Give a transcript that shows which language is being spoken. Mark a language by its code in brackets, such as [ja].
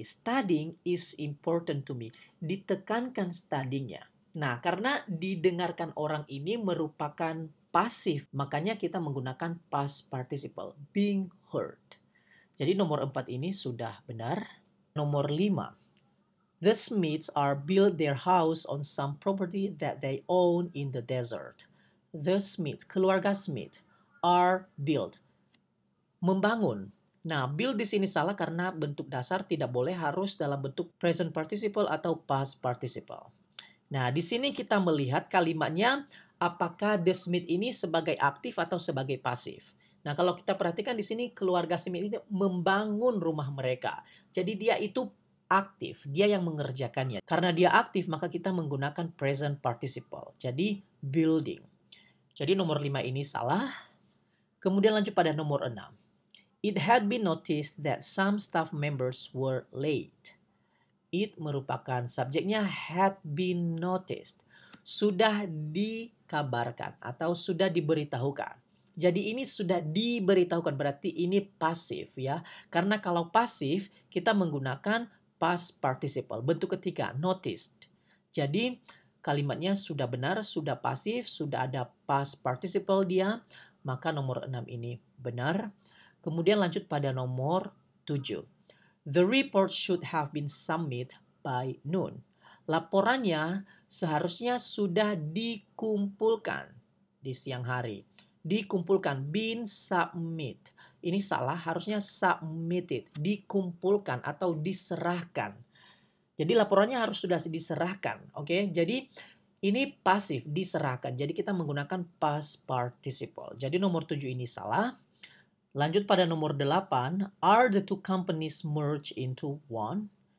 [en] Studying is important to me. [id] Ditekankan studying-nya. Nah, karena didengarkan orang ini merupakan pasif, makanya kita menggunakan past participle, [en] being heard. [id] Jadi nomor 4 ini sudah benar. Nomor 5. [en] The Smiths are build their house on some property that they own in the desert. [id] The Smiths, keluarga Smith, [en] are build, [id] membangun. Nah, build di sini salah karena bentuk dasar tidak boleh harus dalam bentuk present participle atau past participle. Nah, di sini kita melihat kalimatnya apakah The Smith ini sebagai aktif atau sebagai pasif. Nah, kalau kita perhatikan di sini keluarga Smith ini membangun rumah mereka. Jadi dia itu aktif, dia yang mengerjakannya. Karena dia aktif, maka kita menggunakan present participle. Jadi, building. Jadi, nomor 5 ini salah. Kemudian lanjut pada nomor 6. [en] It had been noticed that some staff members were late. It [id] merupakan subjeknya [en] had been noticed. [id] Sudah dikabarkan atau sudah diberitahukan. Jadi ini sudah diberitahukan, berarti ini pasif ya. Karena kalau pasif, kita menggunakan past participle, bentuk ketiga, noticed. Jadi, kalimatnya sudah benar, sudah pasif, sudah ada past participle dia, maka nomor 6 ini benar. Kemudian lanjut pada nomor 7. [en] The report should have been submitted by noon. [id] Laporannya seharusnya sudah dikumpulkan di siang hari. Dikumpulkan, [en] been submit. [id] Ini salah, harusnya submitted, dikumpulkan atau diserahkan. Jadi laporannya harus sudah diserahkan, oke? Okay? Jadi ini pasif, diserahkan. Jadi kita menggunakan past participle. Jadi nomor 7 ini salah. Lanjut pada nomor 8, [en] are the two companies merged into one?